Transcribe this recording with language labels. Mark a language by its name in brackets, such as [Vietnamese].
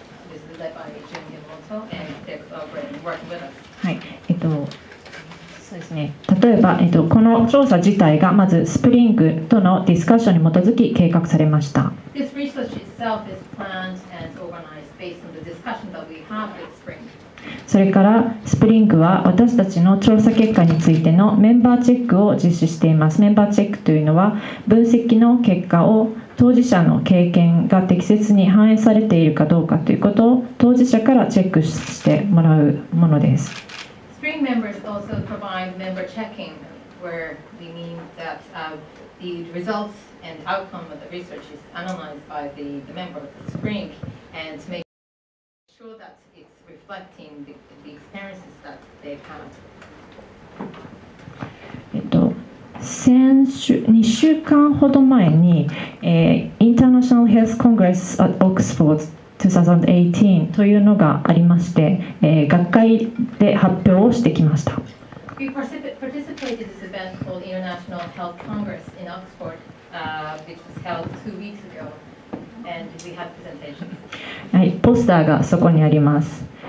[English] This is led by Jun Yamamoto, and they're collaborating, working with us. [Japanese] はい、そうですね。例えば、この調査自体がまずスプリングとのディスカッションに基づき計画されました。 [English] This research itself is planned and organized based on the discussion that we have with Spring. [Japanese] それからスプリングは私たちの調査結果についてのメンバーチェックを実施しています。メンバーチェックというのは分析の結果を当事者の経験が適切に反映されているかどうかということを当事者からチェックしてもらうものです。スプリングメンバーは同じメンバーチェックを実施しています。これは [English] the results and outcome of the research is analyzed by the member of the Spring and to make sure that [Japanese] International Health Congress at Oxford 2018というのがありまして、学会で発表をしてきました。 [English] We participated in this event called International Health Congress in Oxford, which was held 2 weeks ago, and we had presentations. [Japanese] はい、ポスターがそこにあります。